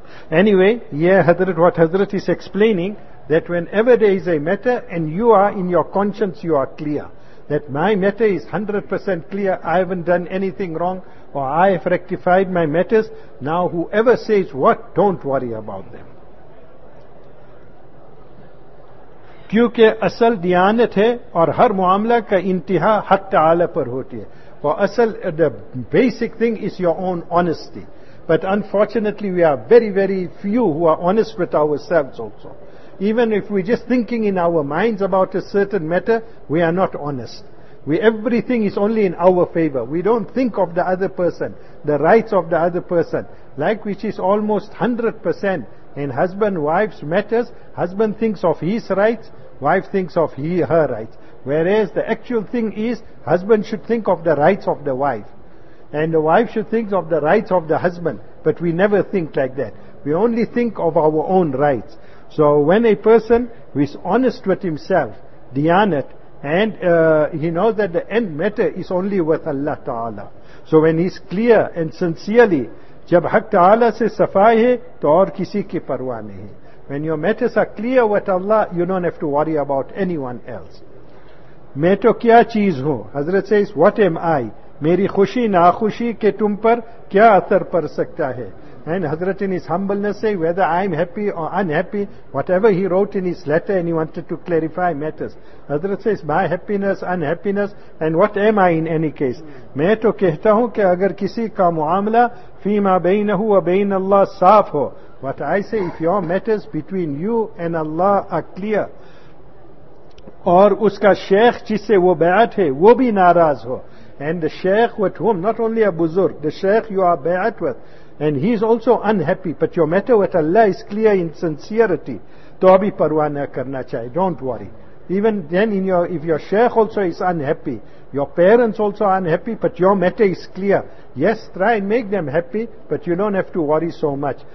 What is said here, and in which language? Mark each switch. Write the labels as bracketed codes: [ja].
[en] Anyway, here Hazrat, what Hazrat is explaining, that whenever there is a matter and you are in your conscience, you are clear. That my matter is 100% clear, I haven't done anything wrong, or I have rectified my matters. Now whoever says what, don't worry about them. [ur] کیونکہ اصل دیانت ہے اور ہر معاملہ کا انتہا حق تعالی پر ہوتی ہے. [en] For اصل, the basic thing is your own honesty. But unfortunately we are very very few who are honest with ourselves also. Even if we're just thinking in our minds about a certain matter, we are not honest. Everything is only in our favor. We don't think of the other person, the rights of the other person. Like which is almost 100%. In husband-wife's matters, husband thinks of his rights, wife thinks of her rights. Whereas the actual thing is, husband should think of the rights of the wife. And the wife should think of the rights of the husband. But we never think like that. We only think of our own rights. So when a person is honest with himself, Diyanat, and he knows that the end matter is only with Allah Ta'ala. So when he's clear and sincerely, [ur] جب حق تعالیٰ سے صفائی ہے تو اور کسی کی پرواہ نہیں. [en] When your matters are clear with Allah, you don't have to worry about anyone else. [ur] میں تو کیا چیز ہوں, حضرت [en] says, what am I, [ur] میری خوشی ناخوشی کے تم پر کیا اثر پڑ سکتا ہے. [en] And حضرت in his humbleness say, whether I am happy or unhappy, whatever he wrote in his letter and he wanted to clarify matters, حضرت says, my happiness, unhappiness, and what am I in any case. [ur] میں تو کہتا ہوں کہ اگر کسی کا معاملہ فیما بینہ و بین اللہ صاف ہو, [en] what I say, if your matters between you and Allah are clear, [ur] اور اس کا شیخ جس سے وہ بیعت ہے وہ بھی ناراض ہو. [en] And the sheikh with whom, not only a buzurg, the sheikh you are bayat with, and he is also unhappy, but your matter with Allah is clear in sincerity, [ur] to abhi parwa na karna chahiye, [en] don't worry. Even then, if your sheikh also is unhappy, your parents also are unhappy, but your matter is clear, yes, try and make them happy, but you don't have to worry so much.